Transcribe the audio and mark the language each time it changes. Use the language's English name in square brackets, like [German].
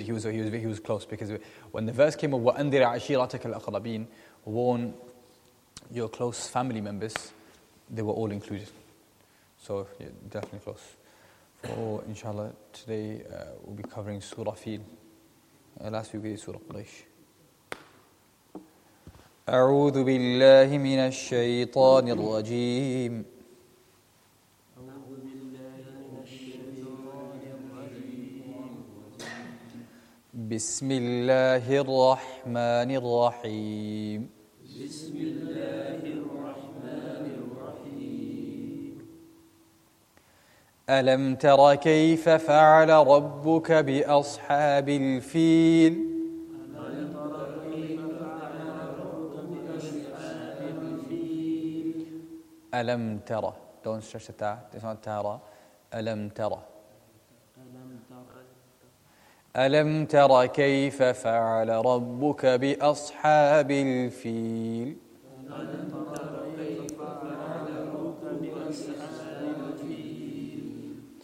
[English] He was close, because when the verse came of [Arabic] "Wa andir ashiratak al-aqrabin," [English] warn your close family members, they were all included. So yeah, definitely close. For inshallah, today we'll be covering Surah Fil. Last week we did Surah Quraysh. [Arabic] أعوذ بالله من الشيطان الرجيم بسم الله الرحمن الرحيم بسم الله الرحمن الرحيم ألم تر كيف فعل ربك بأصحاب الفيل ألم ترى [English] don't stretch the ta, it's not ترى [Arabic] ألم ترى ألم ترى كيف فعل ربك بأصحاب الفيل ألم ترى كيف فعل ربك بأصحاب الفيل